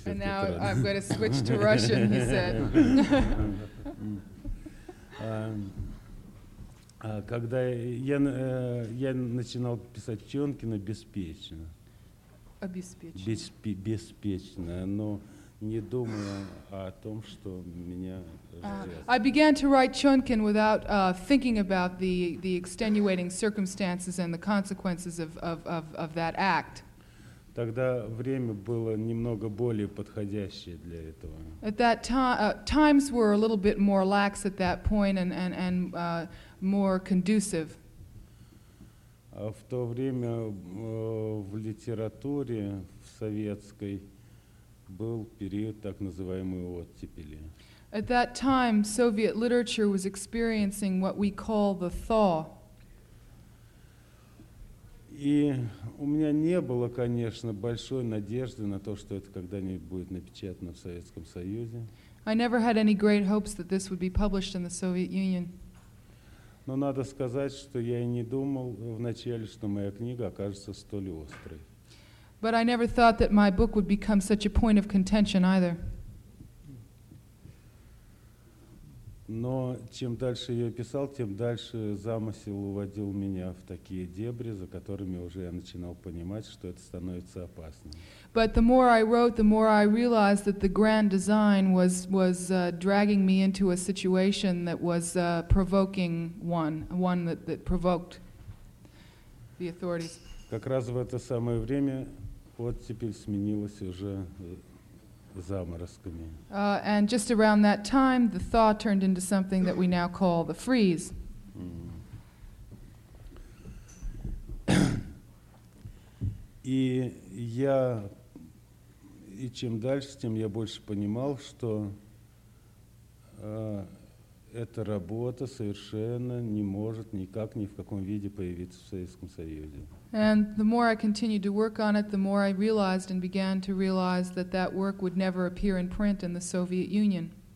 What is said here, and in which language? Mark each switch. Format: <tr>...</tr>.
<en>And now I'm going to switch to Russian, he said.</en> <ru>Когда я начинал писать Чонкина беспечно. Обеспечно. Беспечно, но не думая о том, что меня</ru> <en>I began to write Chonkin without thinking about the extenuating circumstances and the consequences of that act.</en> <ru>Тогда время было немного более подходящее для этого.</ru> <en>At that time, times were a little bit more lax at that point and more conducive.</en> <ru>В то время в литературе в советской был период так называемой оттепели.</ru> <en>At that time, Soviet literature was experiencing what we call the thaw.</en> <ru>И у меня не было, конечно, большой надежды на то, что это когда-нибудь будет напечатано в Советском Союзе.</ru> <en>I never had any great hopes that this would be published in the Soviet Union.</en> <ru>Но надо сказать, что я и не думал вначале, что моя книга окажется столь острой.</ru> <en>But I never thought that my book would become such a point of contention either.</en> <ru>Но чем дальше я писал, тем дальше замысел уводил меня в такие дебри, за которыми уже я начинал понимать, что это становится опасным.</ru> <en>But the more I wrote, the more I realized that the grand design was dragging me into a situation that was provoking one that provoked the authorities.</en> <ru>Как раз в это самое время вот теперь сменилось уже заморозками.</ru> <en>And just around that time, the thaw turned into something that we now call the freeze.</en> <ru>И я, и чем дальше, тем я больше понимал, что эта работа совершенно не может никак ни в каком виде появиться в Советском Союзе.</ru> <en>And the more I continued to work on it, the more I realized and began to realize that that work would never appear in print in the Soviet Union.</en>